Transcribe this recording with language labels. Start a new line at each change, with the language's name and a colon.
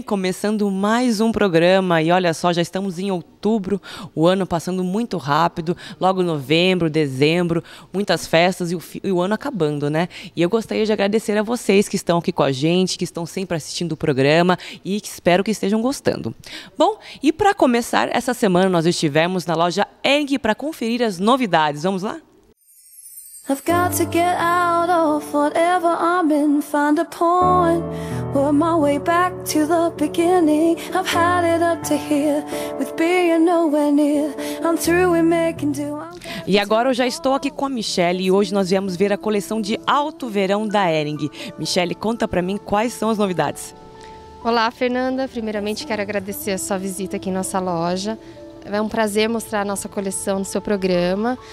Portuguese: Começando mais um programa e olha só, já estamos em outubro, o ano passando muito rápido, logo novembro, dezembro, muitas festas e o ano acabando, né? E eu gostaria de agradecer a vocês que estão aqui com a gente, que estão sempre assistindo o programa e que espero que estejam gostando. Bom, e para começar, essa semana nós estivemos na loja Eng para conferir as novidades, vamos lá?
English: I've got to get out of whatever I'm in, find a point, work my way back to the beginning. I've had it up to here, with being nowhere near, I'm through with making do.
Portuguese: E agora eu já estou aqui com a Michelle e hoje nós viemos ver a coleção de alto verão da Hering. Michelle, conta pra mim quais são as novidades. Olá, Fernanda. Primeiramente quero agradecer a sua visita aqui em nossa loja. É um prazer mostrar a nossa coleção no seu programa.